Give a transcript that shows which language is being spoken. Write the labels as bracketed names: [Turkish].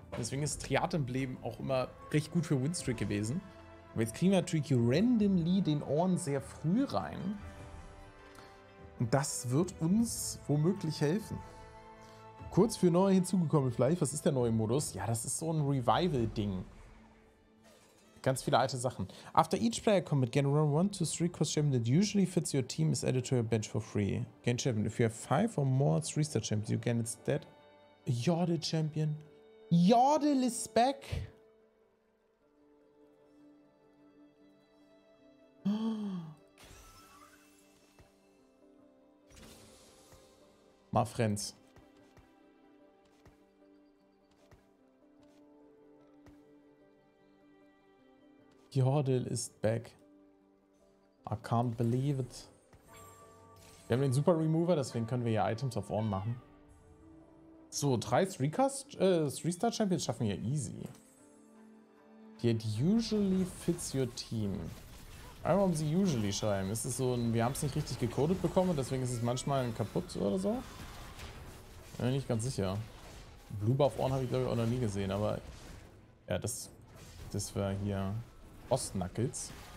[German] Deswegen ist Triad-Emblem auch immer recht gut für Winstreak gewesen. Aber jetzt kriegen wir natürlich randomly den Ohren sehr früh rein. Und das wird uns womöglich helfen. Kurz für neue hinzugekommen vielleicht. Was ist der neue Modus? Ja, das ist so ein Revival-Ding. Ganz viele alte Sachen. [English] After each player commit, gain around 1-3 cost champion that usually fits your team is added to your bench for free. Gain champion. If you have 5 or more 3-star champions, you gain instead. Yordle champion. Yordle is back. My friends. Yordle ist back. I can't believe it. [German] Wir haben den Super Remover, deswegen können wir hier Items of Ohren machen. So, 3-Star-Champions schaffen wir easy. [English] It usually fits your team. [German] Einmal warum sie usually schreiben. Ist es so ein, wir haben es nicht richtig gecodet bekommen, deswegen ist es manchmal kaputt oder so? Bin mir nicht ganz sicher. Blue Buff Ohren habe ich glaube ich auch noch nie gesehen, aber. Ja, das war hier. Ostknuckles.